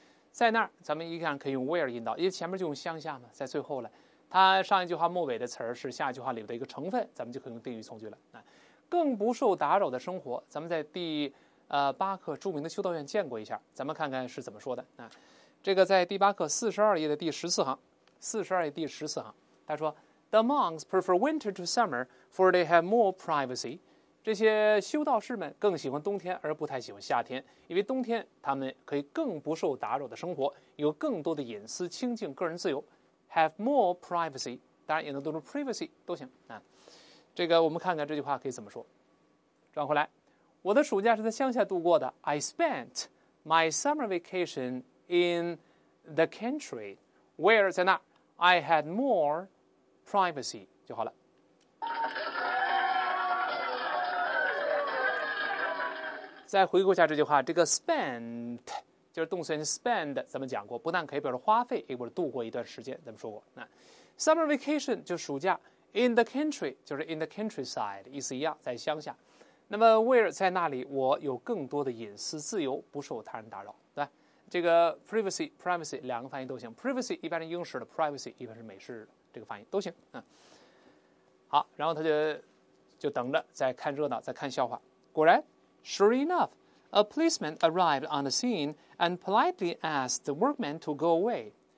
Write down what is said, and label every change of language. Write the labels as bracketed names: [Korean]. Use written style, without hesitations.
[Chinese] 在那儿咱们一样可以用 where 引导，因为前面就用乡下嘛，在最后了，它上一句话末尾的词儿是下一句话里的一个成分，咱们就可以用定语从句了。更不受打扰的生活，咱们在第八课著名的修道院见过一下，咱们看看是怎么说的。这个在第八课42页的第14行，42页第14行，他说 [English] The monks prefer winter to summer, for they have more privacy. [Chinese] 这些修道士们更喜欢冬天，而不太喜欢夏天，因为冬天他们可以更不受打扰的生活，有更多的隐私、清净、个人自由。 [English] Have more privacy， [Chinese] 当然也能读成 privacy 都行啊。这个我们看看这句话可以怎么说。转回来，我的暑假是在乡下度过的。 [English] I spent my summer vacation in the country, where [Chinese] 在那 [English] I had more privacy 就好了。 [Chinese] 再回顾一下这句话，这个 spent 就是动词原形 spend， 咱们讲过，不但可以表示花费，也表示度过一段时间，咱们说过。那 summer vacation 就暑假 ， [English] in the country [Chinese] 就是 [English] in the countryside， [Chinese] 意思一样，在乡下。那么 where 在那里，我有更多的隐私自由，不受他人打扰。对，这个 privacy privacy 两个翻译都行 ，privacy 一般是英式的 ，privacy 一般是美式的。这个翻译都行、好，然后他就等着在看热闹，在看笑话。果然 [English] ，sure enough， a policeman arrived on the scene and politely asked the workman to go away。